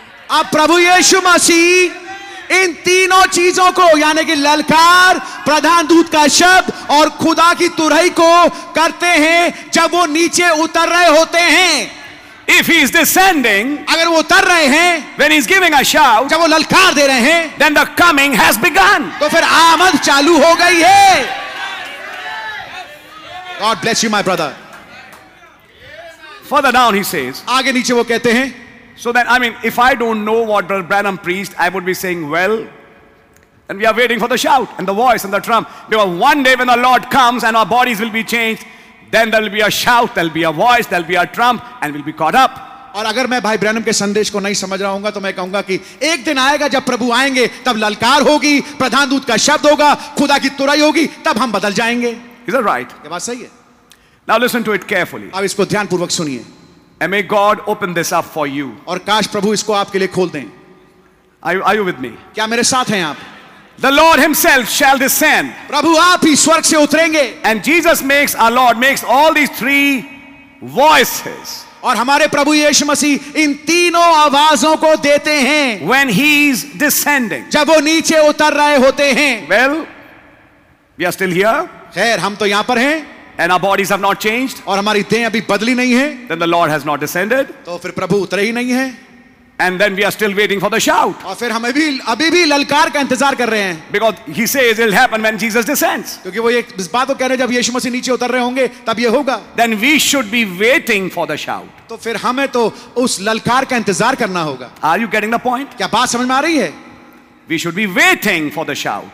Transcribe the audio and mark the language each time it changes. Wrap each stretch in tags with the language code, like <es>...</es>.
<hi>अब प्रभु यीशु मसीह इन तीनों चीजों को यानी कि ललकार, प्रधान दूत का शब्द और खुदा की तुरही को करते हैं जब वो नीचे उतर रहे होते हैं.</hi> <en>If he is descending,</en> <hi>अगर वो उतर रहे हैं,</hi> <en>when he is giving a shout,</en> <hi>जब वो ललकार दे रहे हैं,</hi> <en>then the coming has begun.</en> <hi>तो फिर आमद चालू हो गई है.</hi> <en>God bless you, my brother. Further down, he says.</en> <hi>आगे नीचे वो कहते हैं.</hi> <en>So then, I mean, if I don't know what Brother Branham preached, I would be saying, well, and we are waiting for the shout and the voice and the trump. Because one day when the Lord comes and our bodies will be changed, then there will be a shout, there will be a voice, there will be a trump, and we'll be caught up.</en> <hi>और अगर मैं भाई Branham के संदेश को नहीं समझ रहा हूँगा तो मैं कहूंगा कि एक दिन आएगा जब प्रभु आएंगे तब ललकार होगी, प्रधान दूत का शब्द होगा, खुदा की तुरई होगी, तब हम बदल जाएंगे.</hi> <en>Is that right?</en> <hi>ये बात सही है.</hi> <en>Now listen to it carefully.</en> <hi>अब इसको ध्यानपूर्वक सुनिए.</hi> <en>And may God open this up for you.</en> <hi>और काश प्रभु इसको आपके लिए खोल दें.</hi> <en>Are you with me?</en> <hi>क्या मेरे साथ हैं आप?</hi> <en>The Lord Himself shall descend.</en> <hi>प्रभु आप ही स्वर्ग से उतरेंगे.</hi> <en>And Jesus makes our Lord makes all these three voices.</en> <hi>और हमारे प्रभु यीशु मसीह इन तीनों आवाजों को देते हैं.</hi> <en>When He is descending.</en> <hi>जब वो नीचे उतर रहे होते हैं.</hi> <en>Well, we are still here.</en> <hi>खैर हम तो यहाँ पर हैं.</hi> <en>And our bodies have not changed.</en> <hi>और हमारी देह अभी बदली नहीं है.</hi> <en>Then the Lord has not descended.</en> <hi>तो फिर प्रभु उतरे ही नहीं है.</hi> <en>And then we are still waiting for the shout.</en> <hi>और फिर हम अभी भी ललकार का इंतजार कर रहे हैं.</hi> <en>Because he says it'll happen when Jesus descends.</en> <hi>क्योंकि वो ये इस बात को कह रहे हैं जब यीशु मसीह नीचे उतर रहे होंगे तब ये होगा.</hi> <en>Then we should be waiting for the shout.</en> <hi>तो फिर हमें तो उस ललकार का इंतजार करना होगा.</hi> <en>Are you getting the point?</en> <hi>क्या बात समझ में आ रही है?</hi> <en>We should be waiting for the shout.</en>